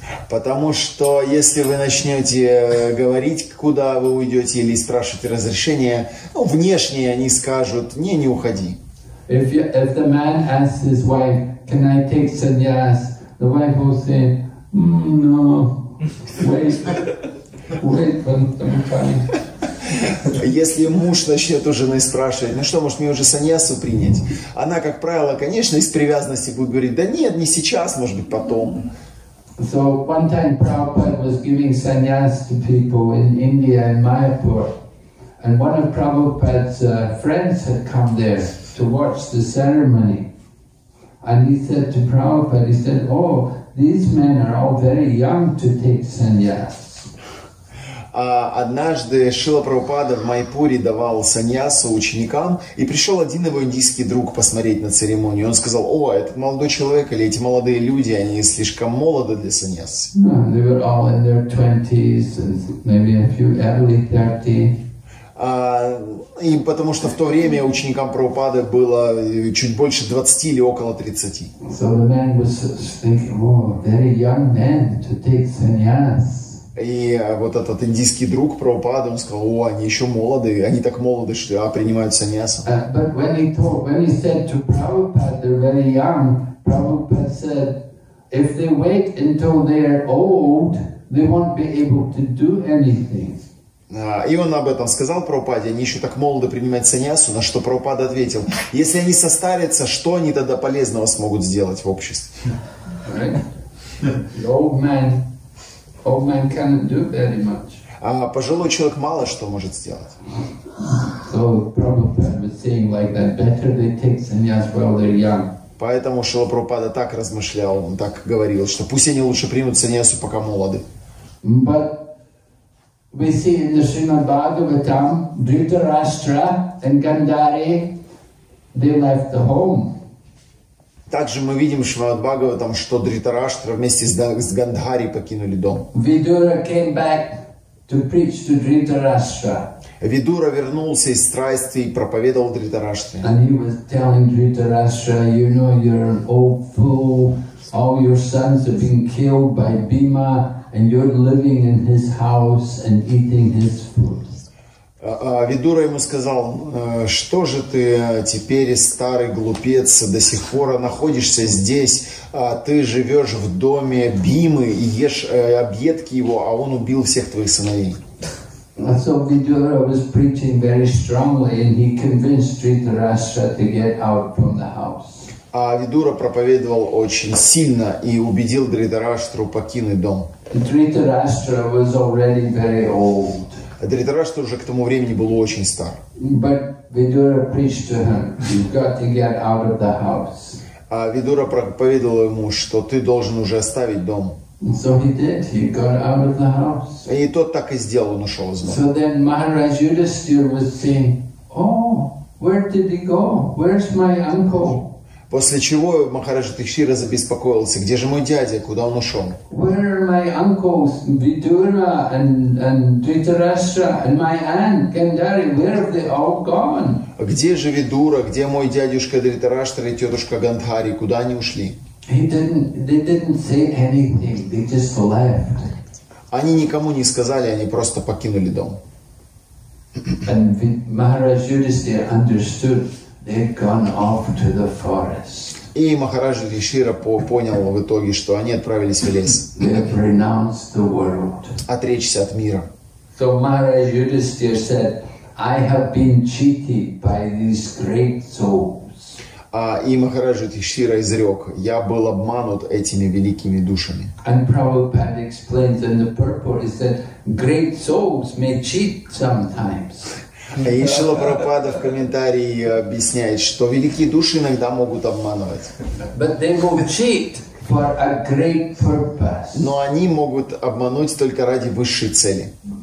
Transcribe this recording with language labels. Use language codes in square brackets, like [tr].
[ru] Потому что если вы начнете говорить, куда вы уйдете, или спрашивать разрешение, ну, внешне они скажут, не уходи. [en] If the man asks his wife, can I take sannyas, the wife will say, no, wait for some time. [ru] Если муж начнет у жены спрашивать, ну что, может, мне уже саньясу принять? Она, как правило, конечно, из привязанности будет говорить, да нет, не сейчас, может быть, потом. [en] So one time Prabhupada was giving sannyas to people in India, in Mayapur. And one of Prabhupada's friends had come there to watch the ceremony. And he said to Prabhupada, he said, oh, these men are all very young to take sannyas. [ru] Однажды Шрила Прабхупада в Майпуре давал саньясу ученикам, и пришел один его индийский друг посмотреть на церемонию. Он сказал, о, этот молодой человек или эти молодые люди, они слишком молоды для саньясы. [en] They were all in their 20s, maybe a few early 30. [ru] Потому что в то время ученикам Прабхупады было чуть больше 20 или около 30. [en] So the man was thinking, oh, very young man to take sannyas. [ru] И вот этот индийский друг Прабхупада, он сказал, о, они еще молоды, они так молоды, что принимают саньясу. [en] But when he said to Prabhupada, they're very young, Prabhupada said, if they wait until they're old, they won't be able to do anything. [ru] И он об этом сказал Прабхупаде, они еще так молоды принимают саньясу, на что Прабхупада ответил, если они состарятся, что они тогда полезного смогут сделать в обществе? [en] Right? The old man. Old man cannot do very much. [ru] А пожилой человек мало что может сделать. [en] So Prabhupada was saying like that, better they take sannyas while they're young. [ru] Поэтому Шрила Прабхупада так размышлял, он так говорил, что пусть они лучше примут саньясу, пока молоды. [en] But We see in the Srimad Bhagavatam, Dhritarashtra and Gandhari, they left the home. [ru] Также мы видим в Шримад Бхагаватам, что Дритараштра вместе с Гандхари покинули дом. [en] Видура came back to preach to Dhritarashtra. [ru] Видура вернулся из страсти и проповедовал Дритараштре. [en] And he was telling Dhritarashtra, you know, you're an old fool. All your sons have been killed by Bhima, and you're living in his house and eating his food. [ru] Видура ему сказал, что же ты теперь, старый глупец, до сих пор находишься здесь, ты живешь в доме Бимы и ешь объедки его, а он убил всех твоих сыновей. [en] So Vidura was preaching very strongly, and he convinced Dhritarashtra to get out from the house. [ru] А Видура проповедовал очень сильно и убедил Дритараштру покинуть дом. [en] Dhritarashtra was already very old. [ru] Дритараштра уже к тому времени был очень стар. [en] But Vidura preached to him, you've got to get out of the house. [ru] А Видура проповедовал ему, что ты должен уже оставить дом. [en] So he did. He got out of the house. [ru] И тот так и сделал, он ушел из дома. [en] So then Maharaj Yudhisthira was saying, oh, where did he go? Where's my uncle? [ru] После чего Махараджа Тихшира забеспокоился. Где же мой дядя? Куда он ушел? [en] Where are my uncles, Vidura and Dhritarashtra and my aunt, Gandhari? Where have they all gone? [ru] Где же Видура? Где мой дядюшка Дритараштра и тетушка Гандхари? Куда они ушли? [en] They didn't say anything. They just left. [ru] Они никому не сказали, они просто покинули дом. [en] And Maharaj Yudhisthira understood. They've gone off to the forest. [ru] И Махараджа Тихшира понял в итоге, что они отправились в лес. [en] They've renounced the world. [ru] Отречься от мира. [en] So Maharaj Yudhisthira said, I have been cheated by these great souls. [ru] И Махараджа Тихшира изрек, я был обманут этими великими душами. [en] And Prabhupada explains in the purport is that great souls may cheat sometimes. [ru] И Шрила Прабхупада в комментарии объясняет, что великие души иногда могут обманывать. Но они могут обмануть только ради высшей цели.